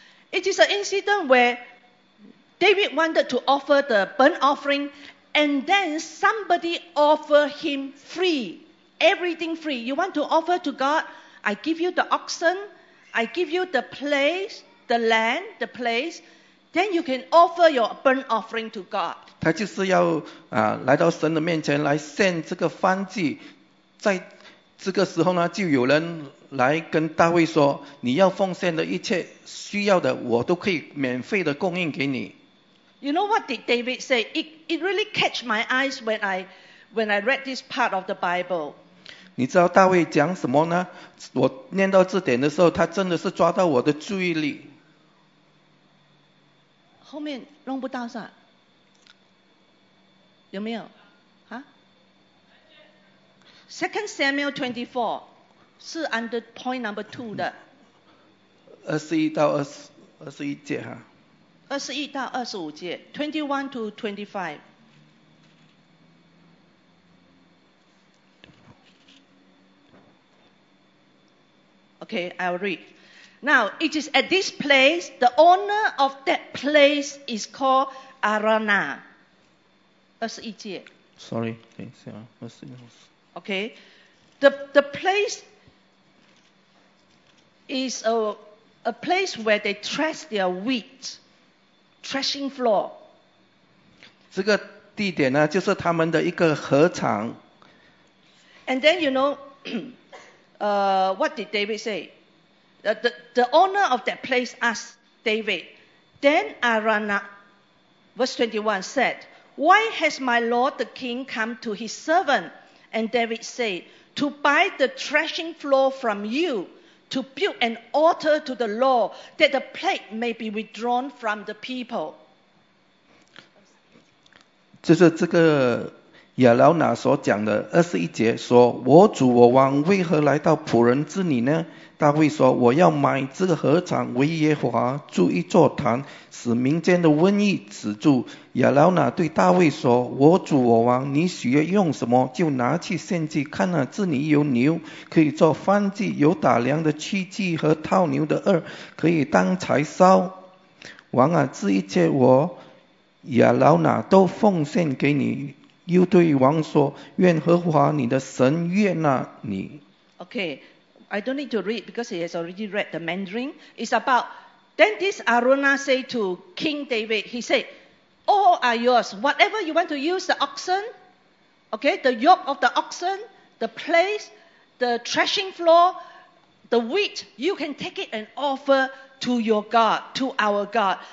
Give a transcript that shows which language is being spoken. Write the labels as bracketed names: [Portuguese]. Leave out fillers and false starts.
[English] It is an incident where David wanted to offer the burnt offering. And then somebody offer him free, everything free. You want to offer to God? I give you the oxen, I give you the place, the land, the place. Then you can offer your burnt offering to God. [Chinese] 他就是要来到神的面前来献这个燔祭。在这个时候呢，就有人来跟大卫说，你要奉献的一切需要的，我都可以免费的供应给你。 [English] You know what did David say? It really catch my eyes when I read this part of the Bible. [Chinese] 你知道大卫讲什么呢？我念到这点的时候，他真的是抓到我的注意力。后面弄不到噻，有没有？ [English] 啊 ？Second Samuel 24是 under point number 2的。 [Chinese] 21到21节哈。 21到25节 [English] 21 to 25. Okay, I'll read. Now, it is at this place, the owner of that place is called Arana. [Chinese] 21节 [English] Sorry, [Chinese] 等一下 21. [English] Okay, the place is a place where they thresh their wheat. Threshing floor. [Chinese] 这个地点呢，就是他们的一个禾场。 [English] And then you know, what did David say? The owner of that place asked David. Then Arana, verse 21 said, "Why has my lord the king come to his servant?" And David said, "To buy the threshing floor from you. To build an altar to the Lord, that the plague may be withdrawn from the people." [Chinese] 就是这个亚劳拿所讲的二十一节说，我主我王为何来到仆人之你呢？大卫说，我要买这个禾场为耶和华筑一座坛，使民间的瘟疫止住。亚劳拿对大卫说，我主我王，你许愿用什么就拿去献祭，看了这里有牛可以做燔祭，有打粮的器具和套牛的轭可以当柴烧。王啊，这一切我亚劳拿都奉献给你。又对王说，愿和华你的神悦纳你。 [English] OKI don't need to read because he has already read the Mandarin. It's about, then this Arana said to King David, he said, all are yours. Whatever you want to use, the oxen, okay, the yoke of the oxen, the place, the threshing floor, the wheat, you can take it and offer to your God, to our God.